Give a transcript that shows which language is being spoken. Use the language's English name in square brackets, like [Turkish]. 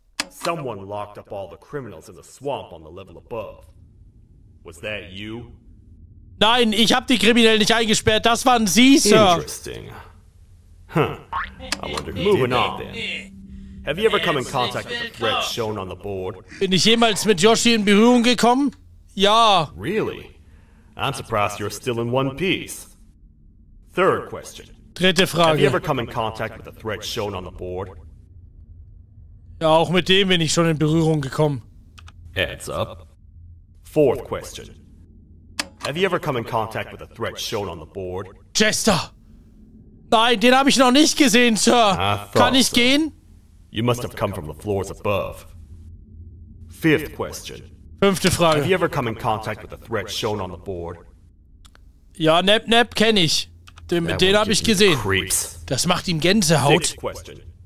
[English] Someone locked up all the criminals in the swamp on the level above. Was that you? [German] Nein, ich hab die Kriminellen nicht eingesperrt. Das waren Sie, Sir. [English] Interesting. Huh. I wonder. Moving on then. Have you ever come in contact with the threats shown on the board? [German] Bin ich jemals mit Yoshi in Berührung gekommen? Ja. [English] Really? I'm surprised you're still in one piece. Third question. [German] Dritte Frage. [English] Have you ever come in contact with the threat shown on the board? [German] Ja, auch mit dem bin ich schon in Berührung gekommen. [English] Heads up. Fourth question. Have you ever come in contact with the threat shown on the board? Jester! [German] Nein, den habe ich noch nicht gesehen, Sir. Kann ich gehen? [English] You must have come from the floors above. Fifth question. [German] Fünfte Frage. [English] Have you ever come in contact with the threat shown on the board? [German] Ja, Nep kenne ich. Den habe ich gesehen. [English] Creeps. [German] Das macht ihm Gänsehaut. [English] Sixth question.